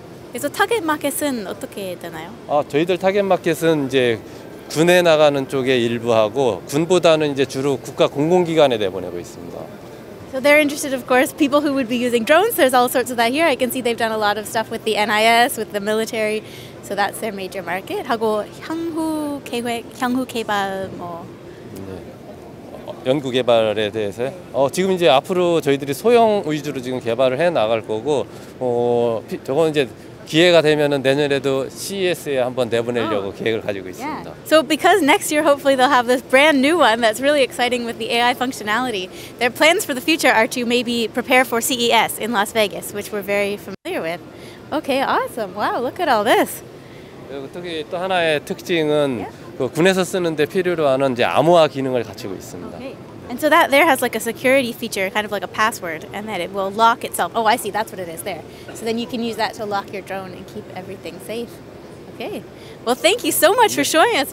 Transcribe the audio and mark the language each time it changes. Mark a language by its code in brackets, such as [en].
[ko] 그래서 타겟 마켓은 어떻게 되나요? 아, 저희들 타겟 마켓은 이제 군에 나가는 쪽에 일부하고 군보다는 이제 주로 국가 공공기관에 내보내고 있습니다. [en] So they're interested, of course, people who would be using drones. There's all sorts of that here. I can see they've done a lot of stuff with the NIS, with the military. So that's their major market. [ko] 하고 향후 계획, 향후 개발 뭐. 연구 개발에 대해서 지금 이제 앞으로 저희들이 소형 위주로 지금 개발을 해 나갈 거고 저건 이제 기회가 되면은 내년에도 CES에 한번 내보내려고 oh. 계획을 가지고 [en] yeah. [ko] 있습니다. [en] So because next year hopefully they'll have this brand new one that's really exciting with the AI functionality. Their plans for the future are to maybe prepare for CES in Las Vegas, which we're very familiar with. Okay, awesome. Wow, look at all this. [ko] 특히 또 하나의 특징은 yeah. 그 군에서 쓰는데 필요로 하는 이제 암호화 기능을 갖추고 있습니다. [en] Okay. And so that there has like a security feature, kind of like a password, and that it will lock itself. Oh, I see. That's what it is there. So then you can use that to lock your drone and keep everything safe. Okay. Well, thank you so much for showing us.